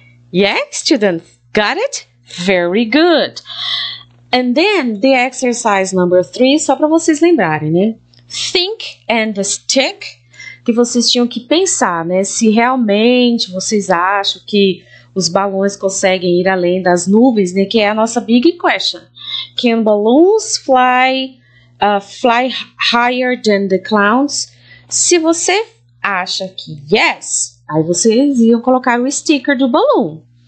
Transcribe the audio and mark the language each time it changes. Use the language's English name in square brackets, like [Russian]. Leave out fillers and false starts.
[English] Yeah, students, got it? Very good. And then, the exercise number 3, [Portuguese] só para vocês lembrarem, né? [English] Think and stick, [Portuguese] que vocês tinham que pensar, né? Se realmente vocês acham que os balões conseguem ir além das nuvens, né? Que é a nossa big question. [English] Can balloons fly, fly higher than the clouds? [Portuguese] Se você acha que yes, aí vocês iam colocar o sticker do balão.